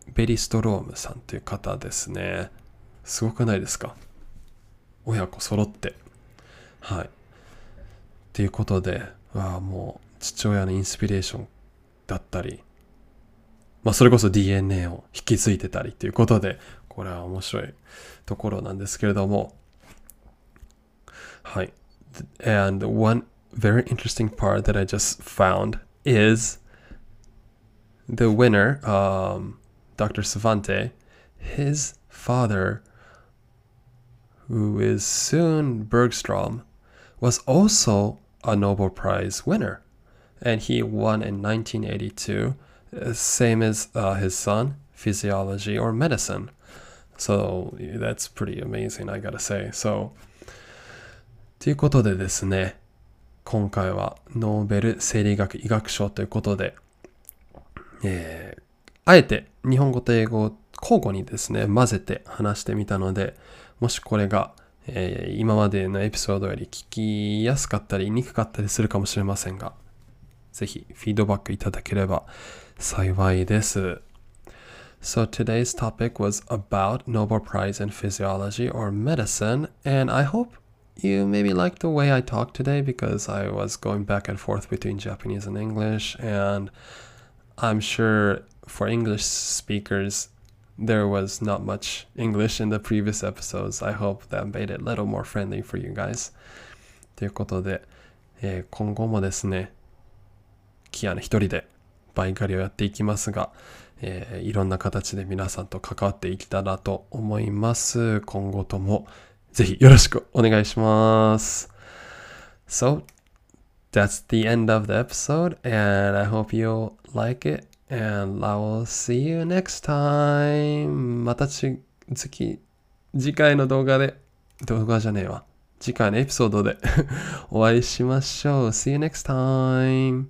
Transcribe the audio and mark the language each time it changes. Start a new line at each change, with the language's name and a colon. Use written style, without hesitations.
Japanese: ベリストロームさんという方ですね。すごくないですか?親子揃って。はい。ということで、もう、父親のインスピレーションだったり、まあ、それこそ DNA を引き継いでたりということで、これは面白いところなんですけれども、Hi.
English: And one very interesting part that I just found is the winner, Dr. Savante, his father, who is Soon Bergstrom, was also a Nobel Prize winner. And he won in 1982, same as his son, physiology or medicine. So that's pretty amazing, I gotta say. So...
Japanese: ということでですね、今回はノーベル生理学医学賞ということで、あえて日本語と英語交互にですね混ぜて話してみたので、もしこれが今までのエピソードより聞きやすかったりにくかったりするかもしれませんが、ぜひフィードバックいただければ幸いです。
English: So today's topic was about Nobel Prize in Physiology or Medicine, and I hope you maybe liked the way I talked today because I was going back and forth between Japanese and English, and I'm sure for English speakersThere was not much English in the previous episodes. I hope that made it a little more friendly for you guys.
Japanese: ということで、今後もですね、キアヌ一人でバイガリをやっていきますが、いろんな形で皆さんと関わっていけたらと思います。今後ともぜひよろしくお願いします。
English: So, that's the end of the episode, and I hope you like it. And I will see you next time.
Japanese: また次回の動画で、動画じゃねえわ。次回のエピソードでお会いしましょう。
English: See you next time.